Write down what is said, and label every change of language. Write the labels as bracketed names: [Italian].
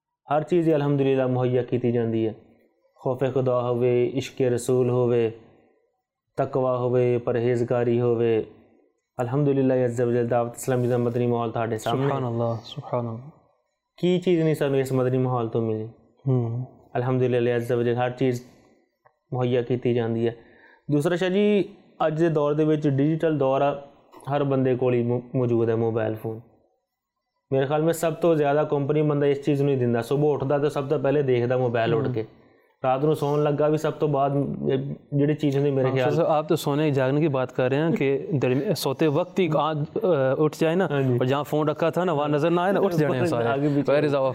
[Punjabi] ہر چیز الحمدللہ مہیا کیتی جاندی ہے. خوف خدا ہوے، عشق رسول ہوے، تقوی ہوے، پرہیزگاری ہوے، الحمدللہ عز و جل دعوت اسلامی دا مدنی ماحول تھاڈے سامنے. سبحان اللہ، سبحان اللہ، کی چیز نہیں سانو اس مدنی ماحول تو ملی. الحمدللہ عز و جل ہر چیز مہیا کیتی جاندی ہے. دوسرا شاہ جی، اج دے دور دے وچ ڈیجیٹل دور آ، ہر بندے کول موجود ہے موبائل فون. میرے خیال میں سب تو زیادہ کمپنی بندہ اس چیز نہیں دیندا. صبح اٹھدا تے سب تو پہلے دیکھدا موبائل اٹھ کے، رات نو سون لگا بھی سب تو بعد جڑی چیز ہوندی. میرے خیال [Urdu] سے آپ تو سونے جاگنے کی بات کر رہے ہیں کہ سوتے وقت ہی آنکھ اٹھ جائے نا، اور جہاں فون رکھا تھا نا وہاں نظر نہ آئے نا اٹھ جانے سارے.